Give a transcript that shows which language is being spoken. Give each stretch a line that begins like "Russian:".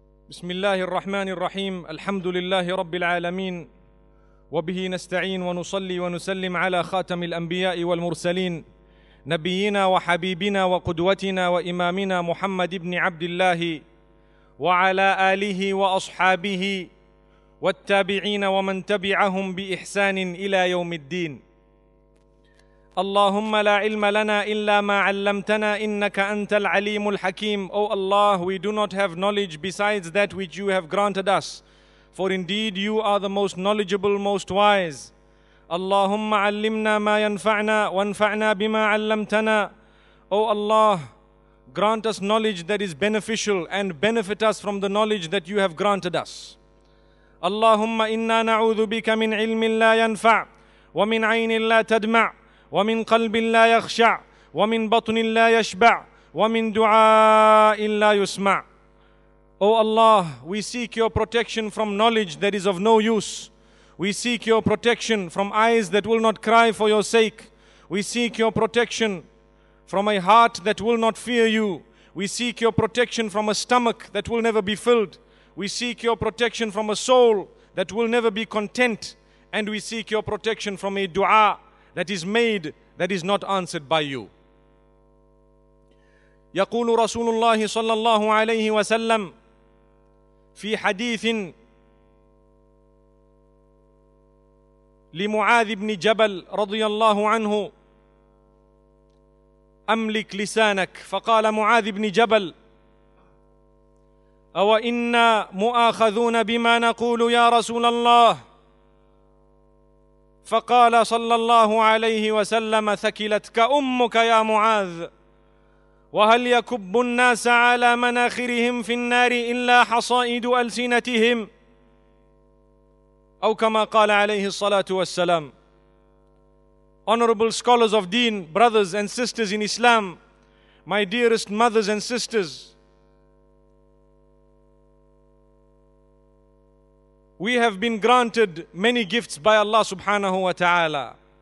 Arabic: بسم الله الرحمن الرحيم، الحمد لله رب العالمين، وبه نستعين ونصلي ونسلم على خاتم الأنبياء والمرسلين، نبينا وحبيبنا وقدوتنا وإمامنا محمد بن عبد الله، وعلى آله وأصحابه والتابعين ومن تبعهم بإحسان إلى يوم الدين. اللهم لا علم لنا إلا ما علمتنا إنك أنت العليم الحكيم.
English: O Allah, we do not have knowledge besides that which you have granted us. For indeed you are the most knowledgeable, most wise.
Arabic: اللهم علمنا ما ينفعنا وانفعنا بما علمتنا.
English: O Allah, grant us knowledge that is beneficial and benefit us from the knowledge that you have granted us.
Arabic: اللهم إنا نعوذ بك من علم لا ينفع ومن عين لا تدمع ومن قلب لا يخشع ومن بطن لا يشبع ومن دعاء لا يسمع.
English: O Allah, we seek your protection from knowledge that is of no use. We seek your protection from eyes that will not cry for your sake. We seek your protection from a heart that will not fear you. We seek your protection from a stomach that will never be filled. We seek your protection from a soul that will never be content. And we seek your protection from a dua that is made that is not answered by you.
Arabic: يقول رسول الله صلى الله عليه وسلم في حديث لمعاذ بن جبل رضي الله عنه أملك لسانك. فقال معاذ بن جبل أو إنا مؤاخذون بما نقول يا رسول الله. فقال صلى الله عليه وسلم ثكلتك أمك يا معاذ، وهل يكب الناس على مناخرهم في النار إلا حصائد ألسنتهم؟ أو كما قال عليه الصلاة والسلام.
English: Honorable scholars of deen, brothers and sisters in Islam, my dearest mothers and sisters, we have been granted many gifts by Allah subhanahu wa ta'ala.